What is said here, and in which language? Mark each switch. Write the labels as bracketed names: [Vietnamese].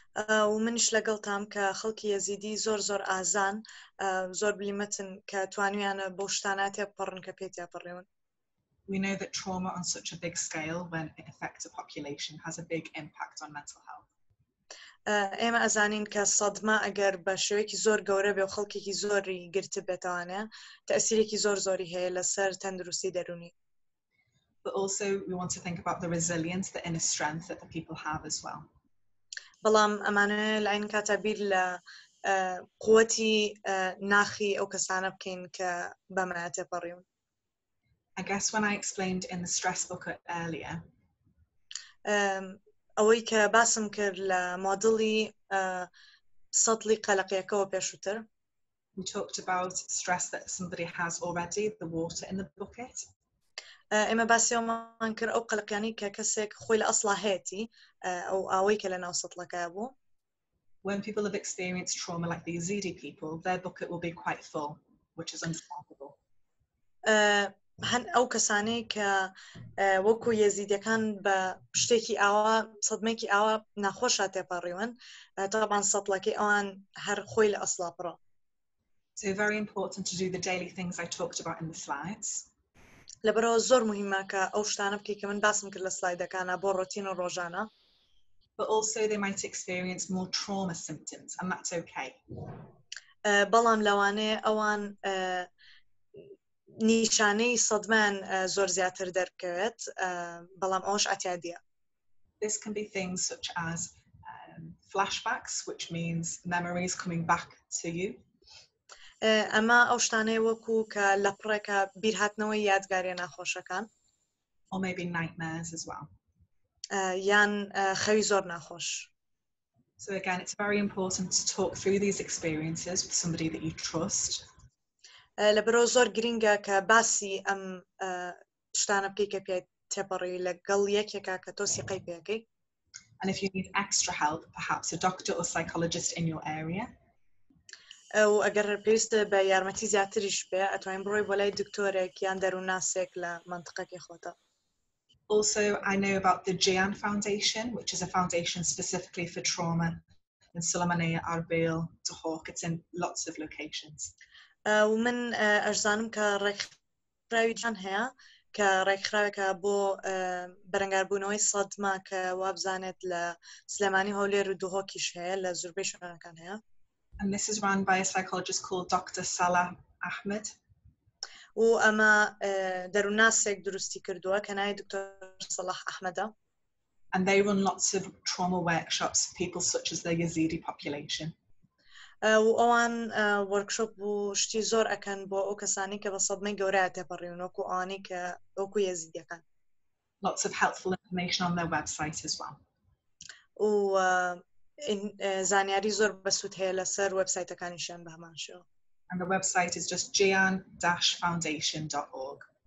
[Central Kurdish] ومنش لگل تام که خلق یزیدی زور آزان زور بلیمتن که توانویان بوشتانه تیب پرن که پیتیا پرن. [English] we know that trauma on such a big scale, when it affects a population, has a big impact on mental health. [Central Kurdish] ئێما ئەزانین کە سەدمە ئەگەر بە شێوەیەکی زۆر گەورە بێ و خەڵکێکی زۆری گرت بێتانە تەئسیرێکی زۆر زۆری هەیە لەسەر تەندروستی دەرونی. [English] But also we want to think about the resilience, the inner strength that the people have as well. [Central Kurdish] بەڵام ئەمانە لەعین کاتە بیر لە قوتی ناخی ئەو کەسانە بکەین کە بەمە تێپەڕیون. [English] I guess when I explained in the stress book earlier. [Central Kurdish] ئەوەی کە باسم کرد لە مۆدڵی سەتڵی قەلەقیەکەەوە پێشووتر. [English] We talked about stress that somebody has already, the water in the bucket. [Central Kurdish] ئێمە باسی ئەوەمان کرد ئەو قەلەقیانەی کە کەسێک خۆی لە ئەسڵا هەیەتی ئەو ئاوەی کە لەناو سەتڵەکە بوو. [English] When people have experienced trauma like the Yazidi people, their bucket will be quite full, which is understandable. [Central Kurdish] هەن ئەو کەسانی کە وەکو یەزیدیەکان بە شتێکی ئاوە سەدمێکی ئاوە ناخۆشە تێپەڕیون تەبان سەتڵەکەی ئەوان هەر خۆی لە ئەسڵا پڕە. [English] So very important to do the daily things I talked about in the slides. [Central Kurdish] لەبەرەوە زۆر مهمە کە ئەو شتانە بکەیت کە من باسم کرد لە سلایدەکانە بۆ ڕۆتین و ڕۆژانە. [English] But also they might experience more trauma symptoms, and that's okay. [Central Kurdish] بەڵام لەوانە ئەوان نیشانەی سەدمان زۆر زیاتر دەرکەوێت بەڵام ئەوش ئەتیادیە. [English] This can be things such as flashbacks, which means memories coming back to you. [Central Kurdish] ئەمە ئەو شتانەی وەکو کە لە پڕێکە بیرهاتنەوەی یادگاریە ناخۆشەکان. [English] Or maybe nightmares as well. [Central Kurdish] یان خەوی زۆر ناخۆش. [English] So again, it's very important to talk through these experiences with somebody that you trust. [Central Kurdish] لەبەرەوە زۆر گرینگە کە باسی ئەم شتانە بکەیت کە تێپەڕی لەگەڵ یەکێکە کە تۆ سیقەی پێکەیت. [English] And if you need extra help, perhaps a doctor or psychologist in your area. [Central Kurdish] و ئەگەر پێویستە بە یارمەتی زیاتریش بێ، ئەتوانین بڕۆیت بۆ لای دکتۆرێک یان دەروونناسێک لە منطقەکەی خۆتە. [English] Also, I know about the Jian Foundation, which is a foundation specifically for trauma in Sulaymaniyah, Arbil, Duhok. It's in lots of locations. [Central Kurdish] ومن ئەرزانم کە ڕێکخراوی جیان هەیە کە ڕێکخراوێکە بۆ بەرەنگاربوونەوەی سەدمە کە وابزانێت لە سلێمانی هەولێر و دوهۆکیش هەیە لە زۆربەی شوێنەکان هەیە. [English] And this is run by a psychologist called Dr. Salah Ahmed. [Central Kurdish] و ئەمە دەروناسێک دروستی کردووە کە ناوی دکتۆر سەلاح ئەحمەدە. [English] And they run lots of trauma workshops for people such as the Yazidi population. [Central Kurdish] و ئەوان ورکشۆپ و شتی زۆر ئەکەن بۆ ئەو کەسانی کە بە سەدمەی گەورەیە تێپەڕیون وەکو ئەوانی کە وەکو یەزیدیەکان. [English] Lots of helpful information on their website as well. [Central Kurdish] و زانیاری زۆر بەسوود هەیە لەسەر وێبسایتەکانیشیان بە هەمان شێوە. [English] And the website is just jian-foundation.org.